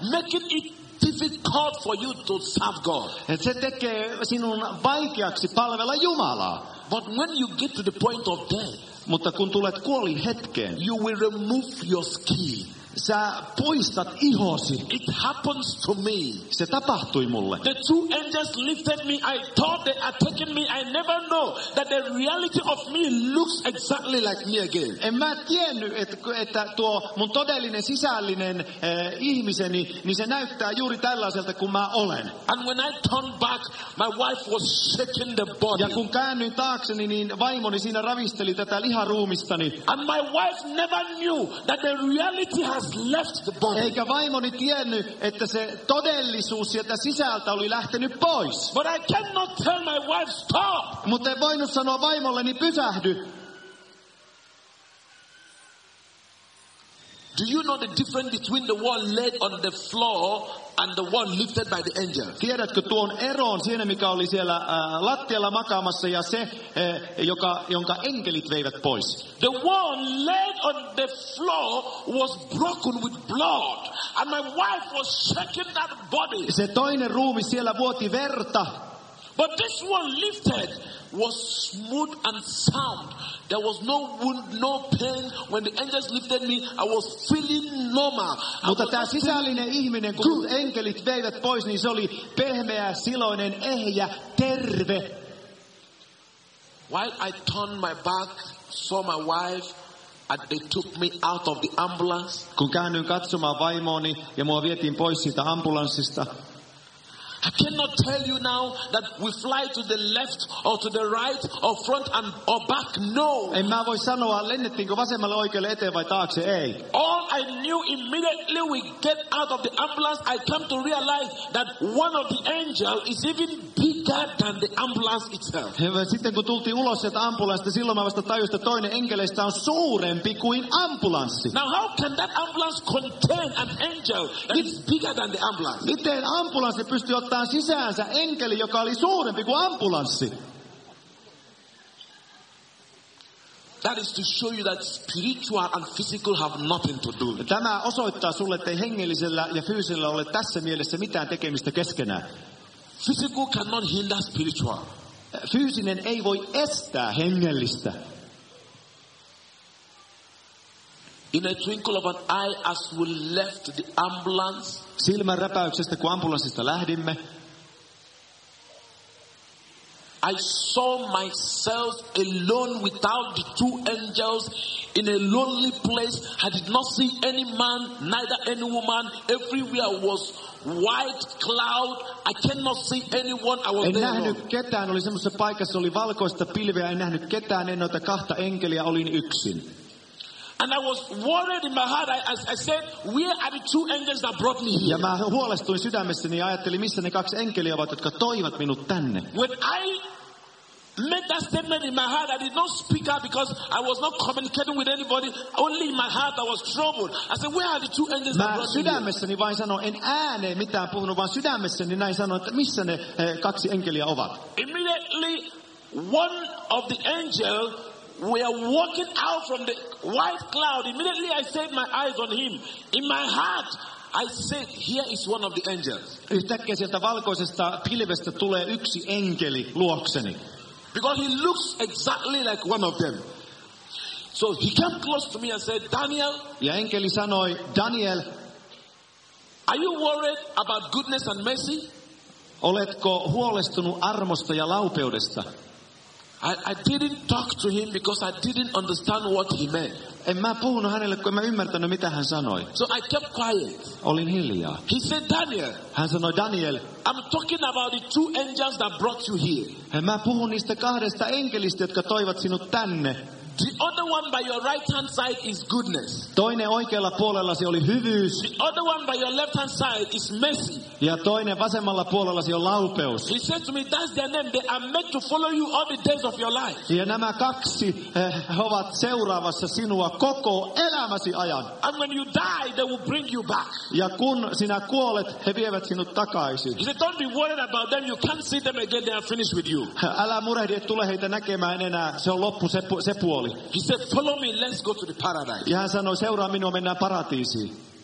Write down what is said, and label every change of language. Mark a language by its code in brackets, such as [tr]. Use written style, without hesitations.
[en] Making it difficult for you to serve God. [fi] Se tekee sinun vaikeaksi palvella Jumalaa. [en] But when you get to the point of death, [fi] mutta kun tulet kuoli hetkeen, [en] you will remove your skin. [fi] Sä poistat ihosi. [en] It happens to me. [fi] Se tapahtui mulle. [en] The two angels lifted me. I thought they are taking me. I never know that the reality of me looks exactly like me again. [fi] En mä tiennyt, että tuo mun todellinen sisällinen ihmiseni, niin se näyttää juuri tällaiselta kuin mä olen. [en] And when I turned back, my wife was shaking the body. [fi] Ja kun käännyin taakseni, niin vaimoni siinä ravisteli tätä liharuumistani. [en] And my wife never knew that the reality has left the body. [fi] Eikä vaimoni tiennyt, että se todellisuus sieltä sisältä oli lähtenyt pois. [en] But I cannot tell my wife, stop. [fi] Mutta en voinut sanoa vaimolleni, pysähdy. [en] Do you know the difference between the one laid on the floor and the one lifted by the angel? [fi] Tiedätkö tuon eron siinä, mikä oli siellä lattialla makaamassa, ja se, jonka enkelit veivät pois? [en] The one laid on the floor was broken with blood, and my wife was shaking that body. [fi] Se toinen ruumi siellä vuoti verta. [en] But this one lifted was smooth and sound. There was no wound, no pain. When the angels lifted me, I was feeling normal. [fi] Mutta tämä sisällinen ihminen, kun enkelit veivät pois, niin se oli pehmeä, siloinen, ehjä, terve. [en] While I turned my back, saw my wife, and they took me out of the ambulance. [fi] Kun käännyin katsomaan vaimoni ja mua vietiin pois siitä ambulanssista. [en] I cannot tell you now that we fly to the left or to the right or front and or back. No. [fi] En mä voi sanoa, lennettiinko vasemmalle, oikealle, eteen vai taakse. Ei. [en] All I knew immediately we get out of the ambulance, I come to realize that one of the angels is even bigger than the ambulance itself. [fi] Sitten kun tultiin ulos sieltä ambulanssista, silloin mä vasta tajusin, että toinen enkeleistä on suurempi kuin ambulanssi. [en] Now how can that ambulance contain an angel that is bigger than the ambulance? [fi] Miten ambulanssi pystyy ottaa sisäänsä enkeli, joka oli suurempi kuin ambulanssi? [en] That is to show you that spiritual and physical have nothing to do. [fi] Tämä osoittaa sulle, että hengellisellä ja fyysisellä ole tässä mielessä mitään tekemistä keskenään. [en] Physical cannot hinder spiritual. [fi] Fyysinen ei voi estää hengellistä. [en] In a twinkle of an eye, as we left the ambulance, [fi] silmän räpäyksestä, kun ambulanssista lähdimme, [en] I saw myself alone without the two angels in a lonely place. I did not see any man, neither any woman. Everywhere was white cloud. I cannot see anyone. I was [fi] en nähnyt ketään. Oli semmoisessa paikassa, oli valkoista pilveä. En nähnyt ketään. En noita kahta enkeliä. Olin yksin. [en] And I was worried in my heart. I said, where are the two angels that brought me here? [fi] Ja mä huolestuin sydämessäni ja ajattelin, missä ne kaksi enkeliä ovat, jotka toivat minut tänne. [en] When I made that statement in my heart, I did not speak out because I was not communicating with anybody. Only in my heart I was troubled. I said, where are the two angels that brought me here? [fi] Mä sydämessäni vain sanoin, en ääneen mitään puhunut, vaan sydämessäni näin sanoin, että missä ne kaksi enkeliä ovat. [en] Immediately, one of the angels, we are walking out from the white cloud. Immediately I set my eyes on him. In my heart, I said, here is one of the angels. [fi] Yhtäkkiä sieltä valkoisesta pilvestä tulee yksi enkeli luokseni. [en] Because he looks exactly like one of them. So he came close to me and said, Daniel. [fi] Ja enkeli sanoi, Daniel. [en] Are you worried about goodness and mercy? [fi] Oletko huolestunut armosta ja laupeudesta? [en] I didn't talk to him because I didn't understand what he meant. [fi] En mä puhunut hänelle, kun en mä ymmärtänyt, mitä hän sanoi. [en] So I kept quiet. [fi] Olin hiljaa. [en] He said, Daniel. [fi] Hän sanoi, Daniel. [en] I'm talking about the two angels that brought you here. [fi] En mä puhun niistä kahdesta enkelistä, jotka toivat sinut tänne. [en] The other one by your right hand side is goodness. [fi] Toinen oikealla puolellasi oli hyvyys. [en] The other one by your left hand side is mercy. [fi] Ja toinen vasemmalla puolellasi on laupeus. [en] He said to me, "That's their name. They are meant to follow you all the days of your life." [fi] Ja nämä kaksi ovat seuraavassa sinua koko elämäsi ajan. [en] And when you die, they will bring you back. [fi] Ja kun sinä kuolet, he vievät sinut takaisin. [en] He said, "Don't be worried about them. You can't see them again. They are finished with you." [fi] Älä murehdi, et tule heitä näkemään enää. Se on loppu. Se puoli. [en] He said, follow me, let's go to the paradise. [fi] Ja hän sanoi, seuraa minua, mennään paratiisiin.